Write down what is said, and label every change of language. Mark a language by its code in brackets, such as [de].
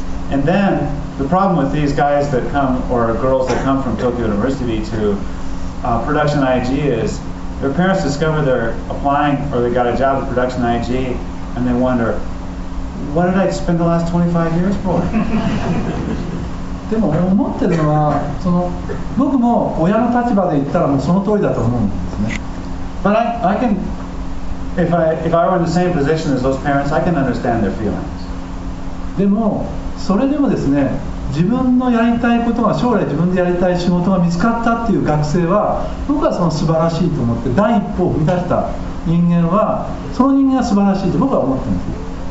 [en] And then the problem with these guys that come, or girls that come from Tokyo University to production IG is their parents discover they're applying or they got a job at production IG and they wonder, what did I spend the last 25 years for? [ja] でも俺思ってるのはその僕も親の立場で言ったらもうその通りだと思うんですね。 [en] But I can, if I were in the same position as those parents, I can understand their feelings. [ja] でもそれでもですね、自分のやりたいことが将来自分でやりたい仕事が見つかったっていう学生は僕はその素晴らしいと思って第一歩を踏み出した人間はその人間が素晴らしいと僕は思ってます。